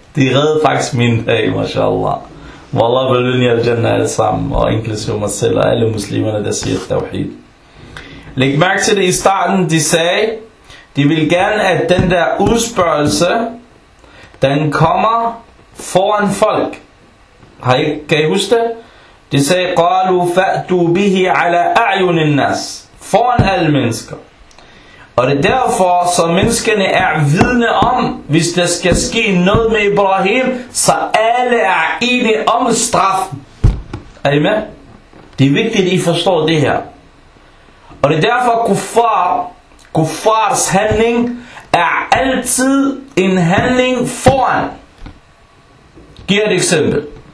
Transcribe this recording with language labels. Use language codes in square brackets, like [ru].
[da] De redde faktisk min dag, mashallah. Wallah belønne jer jannah alle sammen, og inklusive mig selv og alle muslimerne, der siger tawhid. Læg mærke til det i starten, de sagde, de vil gerne, at den der udspørgelse, den kommer foran folk. Har I, kan I huske det? De sagde, [ar] قَالُوا فَأْتُوا بِهِ عَلَىٰ أَعْيُنِ النَّاسِ. [da] Foran alle mennesker. Og det er derfor, så menneskene er vidne om, hvis der skal ske noget med Ibrahim, så alle er enige om straffen. Er I med? Det er vigtigt, at I forstår det her. Og det er derfor, kuffars handling er altid en handling foran. Giv et eksempel.